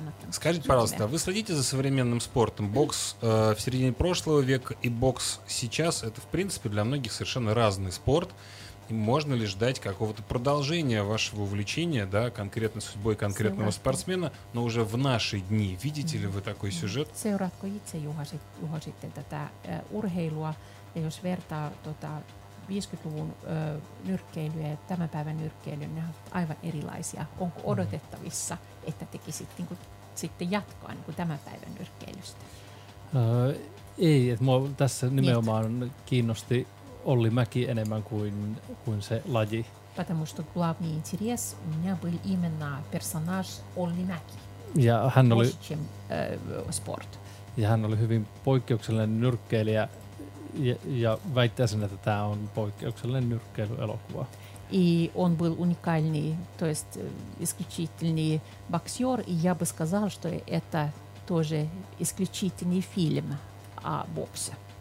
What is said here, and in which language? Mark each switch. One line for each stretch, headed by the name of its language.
Russian: Скажите, пожалуйста, вы следите за современным спортом? Бокс в середине прошлого века и бокс сейчас — это, в принципе, для многих совершенно разный спорт. И можно ли ждать какого-то продолжения вашего увлечения, да, конкретно судьбой конкретного спортсмена, но уже в наши дни? Видите ли вы такой сюжет?
Finnish: Seuraatko itse, Juha, sitten tätä urheilua? Ja jos vertaa 50-luvun nyrkkeilyä ja tämän päivän nyrkkeilyä, ne ovat aivan erilaisia. Onko odotettavissa, että tekisit niin kuin, sitten jatkoa niin kuin tämän päivän nyrkkeilystä? Ei, että mua tässä nimenomaan kiinnosti Olli Mäki enemmän kuin se laji.
Russian: Потому что главный интерес у меня был именно персонаж Олли Мяки.
Finnish: Ja hän oli
English: sport.
Finnish: Ja hän oli hyvin poikkeuksellinen nyrkkeilijä ja väittäisin, että tämä on poikkeuksellinen nyrkkeilyelokuva.
Russian: И он был уникальный, то есть исключительный боксёр, и я бы сказал, что это тоже исключительный фильм о боксе.